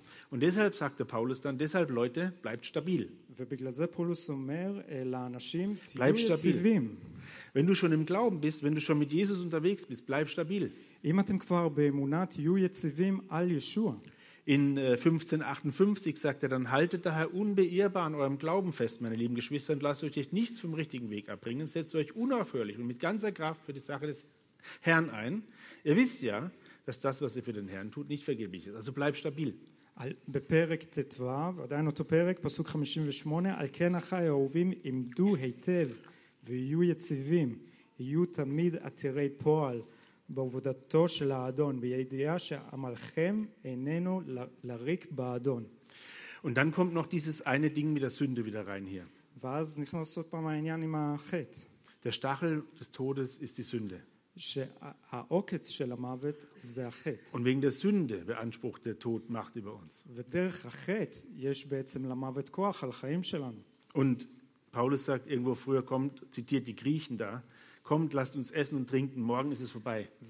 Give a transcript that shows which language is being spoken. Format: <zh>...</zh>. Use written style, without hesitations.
<de>Und deshalb sagte Paulus dann, deshalb Leute, bleibt stabil. Bleib stabil. Wenn du schon im Glauben bist, wenn du schon mit Jesus unterwegs bist, bleib stabil.</de> <he>Im אתם כבר באמונת יהיו יציבים על ישוע.</he> <de>In 1558 sagt er dann, haltet daher unbeirrbar an eurem Glauben fest, meine lieben Geschwister, und lasst euch nichts vom richtigen Weg abbringen. Setzt euch unaufhörlich und mit ganzer Kraft für die Sache des Herrn ein. Ihr wisst ja, dass das, was ihr für den Herrn tut, nicht vergeblich ist. Also bleibt stabil.</de> <he>בפרק ט"ו, ועדיין אותו פרק, פסוק 58, על כן אחי האהובים, עמדו היטב ויהיו יציבים, יהיו תמיד עתירי פועל. בעבודתו של האדון, בידיעה שעמלכם איננו לריק באדון.</he> <de>Und dann kommt noch dieses eine Ding mit der Sünde wieder rein hier.</de> <he>ואז נכנס עוד פעם העניין עם החטא.</he> <de>Der Stachel des Todes ist die Sünde.</de> <he>שהעוקץ של המוות זה החטא.</he> <de>Und wegen der Sünde beansprucht der Tod Macht über uns.</de> <he>ודרך החטא יש בעצם למוות כוח על החיים שלנו.</he> <de>Und Paulus sagt irgendwo früher, kommt, zitiert die Griechen da, kommt, lasst uns essen und trinken, morgen ist es vorbei.</de>